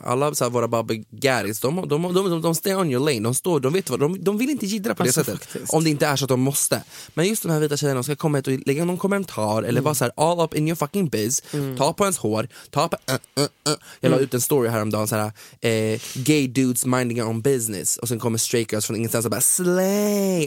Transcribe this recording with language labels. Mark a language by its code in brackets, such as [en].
[sv] Alla så här, våra babbe gäris, de [en] stay on your lane. [sv] De står, de vet vad. De vill inte giddra på det sättet. Faktiskt. Om det inte är så att de måste. Men just de här vita tjejerna, de ska komma hit och lägga någon kommentar. Eller bara så här, [en] all up in your fucking biz. [sv] Mm. Ta på ens hår. Ta på... Jag la ut en story häromdagen. Så här, [en] gay dudes minding their own business. [sv] Och sen kommer [en] straight girls [sv] från ingenstans och bara, slay!